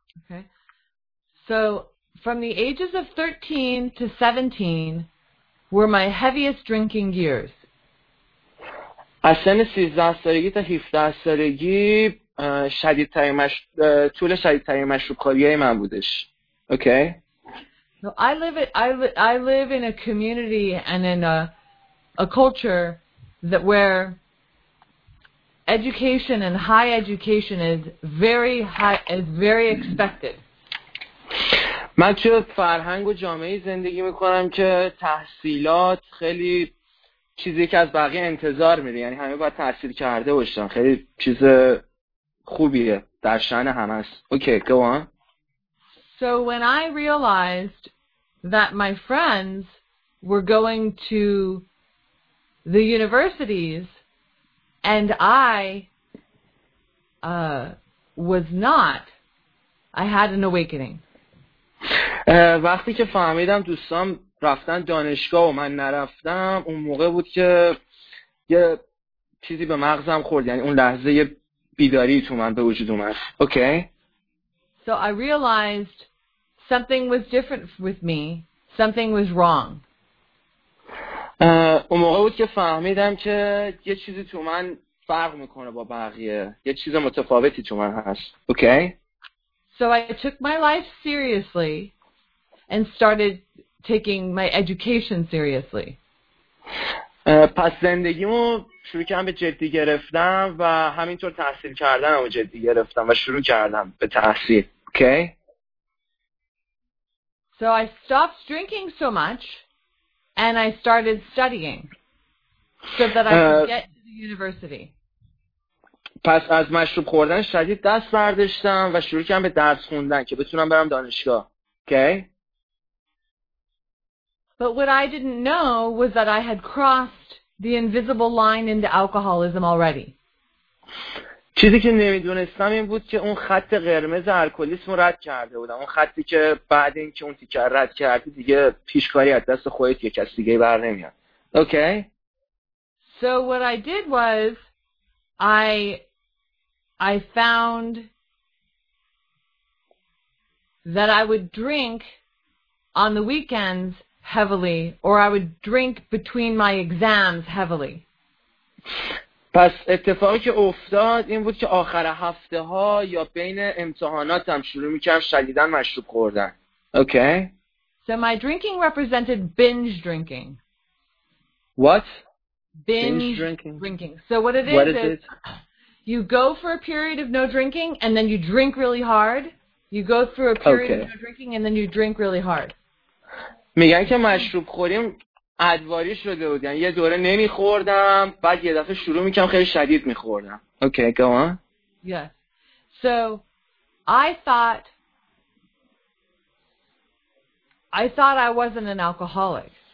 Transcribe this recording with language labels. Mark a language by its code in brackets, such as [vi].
[en] Okay. So, from the ages of 13 to 17 were my heaviest drinking years. [fa] از سن 13 سالگی تا 17 سالگی شدیدترین مشروب کاریای من بودش. [en] Okay. No, I live in a community and in a culture that where education and high education is very expected. [fa] من توی فرهنگ و جامعه زندگی میکنم که تحصیلات خیلی چیزی که از بقیه انتظار میره، یعنی همه باید تحصیل کرده باشن، خیلی چیز خوبیه در شأن همه است. [en] Okay, go on. So when I realized that my friends were going to the universities and I was not, I had an awakening. [fa] وقتی که فهمیدم دوستان رفتن دانشگاه و من نرفتم، اون موقع بود که یه چیزی به مغزم خورد، یعنی اون لحظه یه بیداری تو من به وجود اومد. [en] Okay. So I realized something was different with me. Something was wrong. [fa] اون موقع بود که فهمیدم که یه چیزی تو من فرق میکنه با بقیه. یه چیز متفاوتی تو من هست. اوکی. [en] So I took my life seriously and started taking my education seriously. [fa] پس زندگیمو شروع کردم به جدی گرفتم و همینطور تحصیل کردنمو جدی گرفتم و شروع کردم به تحصیل. [en] Okay. So I stopped drinking so much and I started studying so that I could get to the university. [fa] پس از مشروب خوردن شدید دست برداشتم و شروع کردم به درس خوندن که بتونم برم دانشگاه. [en] Okay. But what I didn't know was that I had crossed the invisible line into alcoholism already. [fa] چیزی که نمیدونستم این بود که اون خط قرمز الکلیسم رد کرده بودم. اون خطی که بعد این که اون تیکر رد کردی دیگه پیشکاری از دست خودت یک کس دیگه بر نمیاد. [en] Okay. So what I did was I found that I would drink on the weekends heavily, or I would drink between my exams heavily. [fa] پس اتفاقی که افتاد این بود که آخر هفته ها یا بین امتحاناتم شروع میکردم شدیداً مشروب خوردن. [en] Okay. So my drinking represented binge drinking. What? Binge drinking. So what it is, you go for a period of no drinking and then you drink really hard. You go through a period of no drinking and then you drink really hard. [fa] میگن که مشروب خوریم ادواری شده بود، یعنی یه دوره نمیخوردم بعد یه دفعه شروع میکنم خیلی شدید میخوردم. [en] Okay, go on. Yes. So I thought I wasn't an alcoholic.